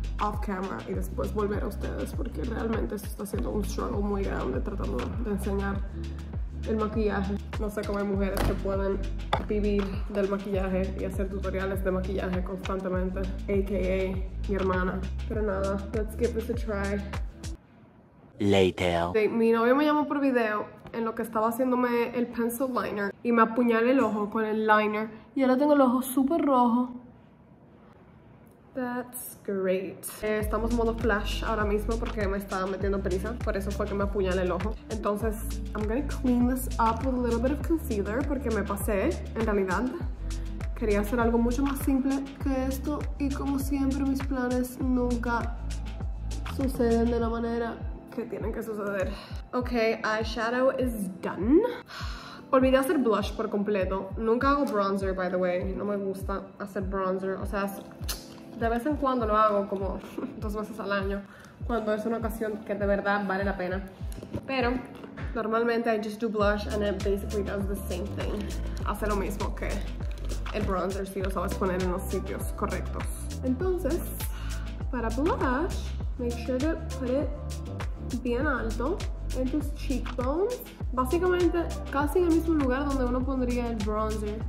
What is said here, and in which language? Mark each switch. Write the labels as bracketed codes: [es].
[en] off camera [es] y después volver a ustedes, porque realmente esto está siendo un struggle muy grande tratando de enseñar el maquillaje. No sé cómo hay mujeres que pueden vivir del maquillaje y hacer tutoriales de maquillaje constantemente, aka mi hermana. Pero nada, [en] let's give this a try. Later. [es] Sí, mi novio me llamó por video en lo que estaba haciéndome el pencil liner y me apuñalé el ojo con el liner y ahora tengo el ojo súper rojo. [en] That's great. [es] Estamos en modo flash ahora mismo porque me estaba metiendo prisa. Por eso fue que me apuñalé el ojo. Entonces, [en] I'm gonna clean this up with a little bit of concealer [es] porque me pasé. En realidad, quería hacer algo mucho más simple que esto. Y como siempre, mis planes nunca suceden de la manera que tienen que suceder. Ok, [en] eyeshadow is done. [es] Olvidé hacer blush por completo. Nunca hago bronzer, [en] by the way. [es] No me gusta hacer bronzer. O sea, de vez en cuando lo hago, como dos veces al año, cuando es una ocasión que de verdad vale la pena. Pero normalmente [en] I just do blush and it basically does the same thing. [es] Hace lo mismo que el bronzer si lo sabes poner en los sitios correctos. Entonces, para [en] blush, make sure to put it [es] bien alto en tus [en] cheekbones. [es] Básicamente, casi en el mismo lugar donde uno pondría el bronzer.